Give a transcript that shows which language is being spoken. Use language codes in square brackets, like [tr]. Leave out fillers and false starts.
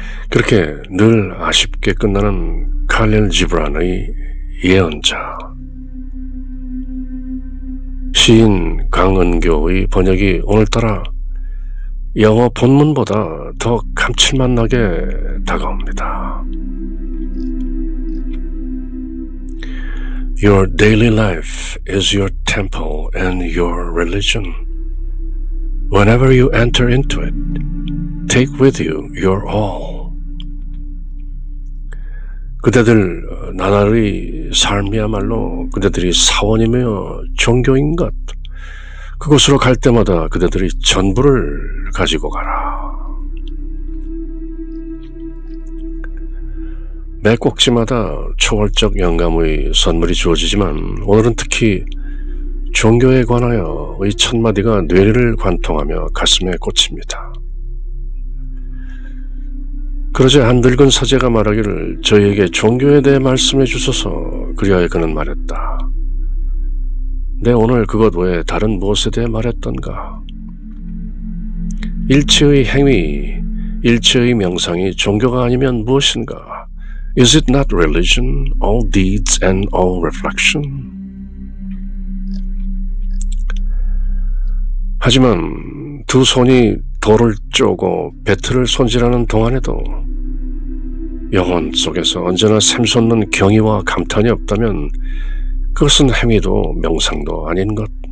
[ko] 그렇게 늘 아쉽게 끝나는 칼릴 지브란의 예언자, 시인 강은교의 번역이 오늘따라 영어 본문보다 더 감칠맛 나게 다가옵니다. [en] Your daily life is your temple and your religion. Whenever you enter into it, take with you your all. [ko] 그대들 나날의 삶이야말로 그대들이 사원이며 종교인 것. 그곳으로 갈 때마다 그대들이 전부를 가지고 가라. 매 꼭지마다 초월적 영감의 선물이 주어지지만 오늘은 특히 종교에 관하여 이 첫마디가 뇌리를 관통하며 가슴에 꽂힙니다. 그러자 한 늙은 사제가 말하기를 저희에게 종교에 대해 말씀해 주소서. 그리하여 그는 말했다. 내 오늘 그것 외에 다른 무엇에 대해 말했던가? 일체의 행위, 일체의 명상이 종교가 아니면 무엇인가? [en] Is it not religion, all deeds and all reflection? [ko] 하지만 두 손이 돌을 쪼고 배틀을 손질하는 동안에도 영혼 속에서 언제나 샘솟는 경이와 감탄이 없다면 그것은 행위도 명상도 아닌 것.